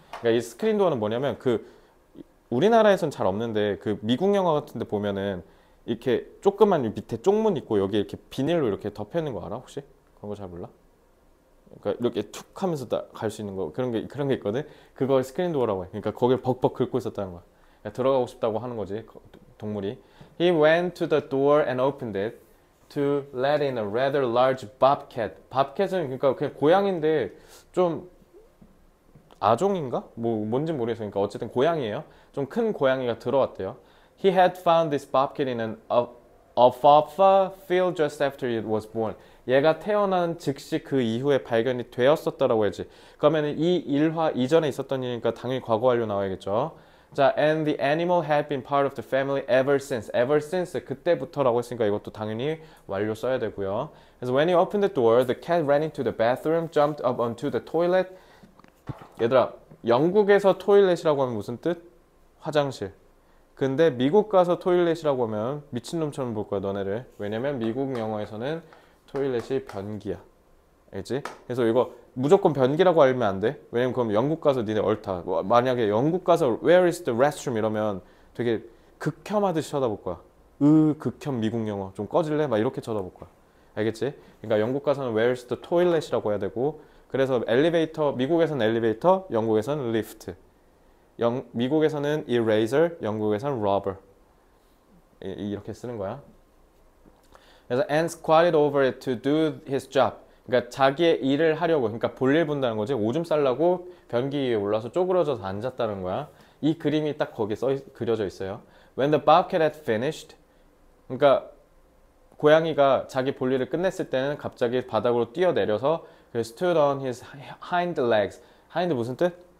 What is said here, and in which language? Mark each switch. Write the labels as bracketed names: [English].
[Korean] 그러니까 이 스크린도어는 뭐냐면 그 우리나라에선 잘 없는데 그 미국 영화 같은 데 보면은 이렇게 조그만 밑에 쪽문 있고 여기 이렇게 비닐로 이렇게 덮여있는 거 알아 혹시? 그런 거잘 몰라? 그러니까 이렇게 툭 하면서 갈수 있는 거 그런 게 있거든. 그걸 스크린도어라고 해. 그러니까 거기를 벅벅 긁고 있었다는 거야. 그러니까 들어가고 싶다고 하는 거지 동물이. [English] He went to the door and opened it to let in a rather large bobcat. [Korean] bobcat은 그러니까 그냥 고양인데 좀 아종인가? 뭐 뭔지 모르겠어. 그러니까 어쨌든 고양이에요. 좀큰 고양이가 들어왔대요. [English] He had found this bobcat in an alfalfa field just after it was born. [Korean] 얘가 태어난 즉시 그 이후에 발견이 되었었다라고 해야지. 그러면 이 일화 이전에 있었던 일이니까 당연히 과거 완료 나와야겠죠. [English] 자, and the animal had been part of the family ever since. [Korean] ever since 그때부터라고 했으니까 이것도 당연히 완료 써야 되고요. [English] 그래서 when he opened the door, the cat ran into the bathroom, jumped up onto the toilet. [Korean] 얘들아, 영국에서 토일렛이라고 하면 무슨 뜻? 화장실. 근데 미국 가서 토일렛이라고 하면 미친놈처럼 볼 거야, 너네를. 왜냐면 미국 영어에서는 토일렛이 변기야. 알지? 그래서 이거 무조건 변기라고 알면 안 돼. 왜냐면 그럼 영국 가서 니네 옳다. 만약에 영국 가서 [English] Where is the restroom? [Korean] 이러면 되게 극혐하듯이 쳐다볼 거야. 극혐 미국 영어. 좀 꺼질래? 막 이렇게 쳐다볼 거야. 알겠지? 그러니까 영국 가서는 [English] Where is the toilet [Korean] 이라고 해야 되고, 그래서 엘리베이터, 미국에서는 엘리베이터, 영국에서는 리프트. 미국에서는 eraser, 영국에서는 rubber. 이렇게 쓰는 거야. [English] 그래서 and squatted over it to do his job. [Korean] 그러니까 자기의 일을 하려고, 그러니까 볼일 본다는 거지. 오줌 싸려고 변기 위에 올라서 쪼그려져서 앉았다는 거야. 이 그림이 딱 거기 그려져 있어요. [English] When the bobcat had finished, [Korean] 그러니까 고양이가 자기 볼일을 끝냈을 때는 갑자기 바닥으로 뛰어내려서 [English] stood on his hind legs. [Korean] hind 무슨 뜻?